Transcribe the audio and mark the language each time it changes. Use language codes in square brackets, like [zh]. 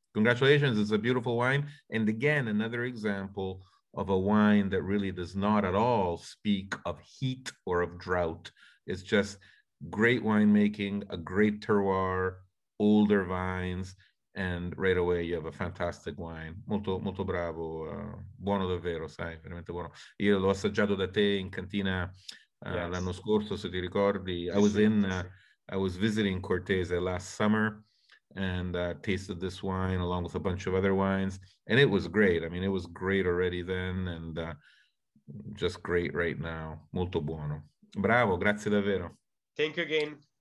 [en] Congratulations, it's a beautiful wine. And again, another example of a wine that really does not at all speak of heat or of drought. It's just great winemaking, a great terroir, older vines, and right away you have a fantastic wine. [it] Molto, molto bravo, buono davvero, sai, veramente buono. Io l'ho assaggiato da te in cantina l'anno scorso, se ti ricordi. [en] I was visiting Cortese last summer and tasted this wine along with a bunch of other wines. And it was great. I mean, it was great already then and just great right now. [it] Molto buono. Bravo, grazie davvero. [en] Thank you again.